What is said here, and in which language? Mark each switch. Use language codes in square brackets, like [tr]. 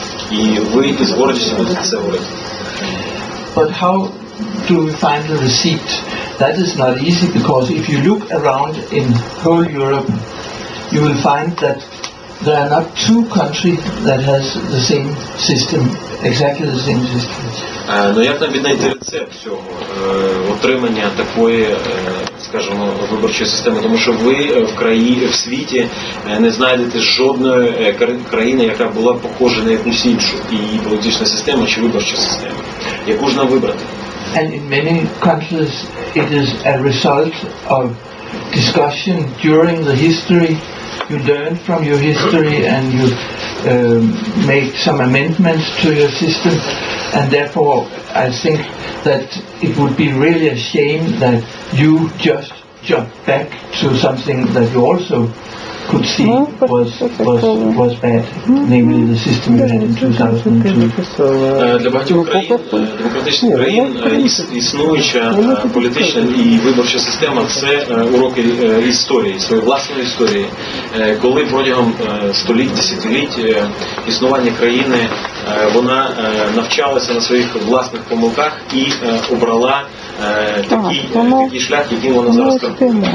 [uk] І ви із гордістю будете це говорити. [en] But how do we find the receipt? That is not easy, because if you look around in whole Europe, you will find that there are not two countries that has the same system, exactly the same system. [uk] Ну як нам віднайти рецепт цього отримання такої, скажімо, виборчої системи, тому що ви в країні, в світі не знайдете жодної країни, яка була похожа на якусь іншу, і її політична система чи виборча система. Яку ж нам вибрати? [en] And in many countries it is a result of discussion during the history. You learn from your history and you make some amendments to your system, and therefore I think that it would be really a shame that you just jump back to something that you also could see was bad, namely the system you had in 2002. [uk] Для багатьох країн, демократичних країн, існуюча політична і виборча система – це уроки історії, своєї власної історії. Коли протягом століть, десятиліть існування країни, вона навчалася на своїх власних помилках і обрала такий шлях, який вона зараз робить.